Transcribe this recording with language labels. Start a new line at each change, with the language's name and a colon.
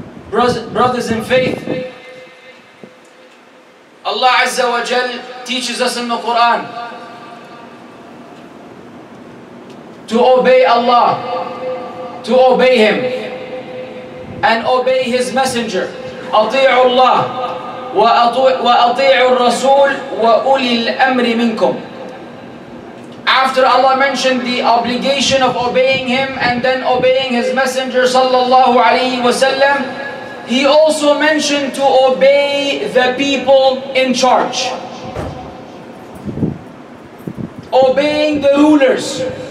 English: Brothers in faith, Allah Azza wa Jal teaches us in the Quran to obey Allah, to obey Him, and obey His Messenger.
Arabic: أطيعوا الله وأطيعوا الرسول وأولي الأمر منكم.
English: After Allah mentioned the obligation of obeying Him and then obeying His Messenger sallallahu alaihi wasallam, He also mentioned to obey the people in charge. Obeying the rulers.